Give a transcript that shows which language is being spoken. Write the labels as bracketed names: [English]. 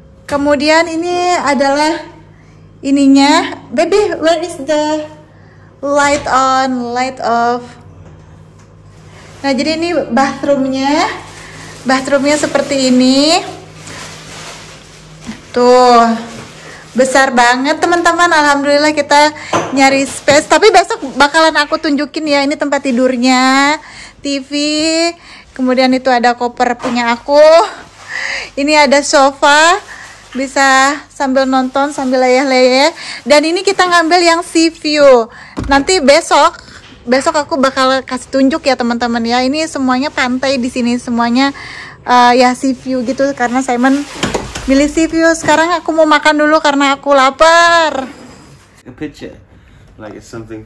[Indonesian] Kemudian ini adalah ininya. [English] Baby, where is the light on, light off? [Indonesian] Nah, jadi ini bathroomnya. Bathroomnya seperti ini. Tuh, besar banget, teman-teman. Alhamdulillah kita nyari space. Tapi besok bakalan aku tunjukin ya. Ini tempat tidurnya, TV. Kemudian itu ada koper punya aku. Ini ada sofa, bisa sambil nonton, sambil leyeh-leyeh. Dan ini kita ngambil yang sea view. Nanti besok, besok aku bakal kasih tunjuk ya, teman-teman ya. Ini semuanya pantai di sini, semuanya ya sea view gitu. Karena Simon milih sea view. Sekarang aku mau makan dulu karena aku lapar. [English] A picture, like it's something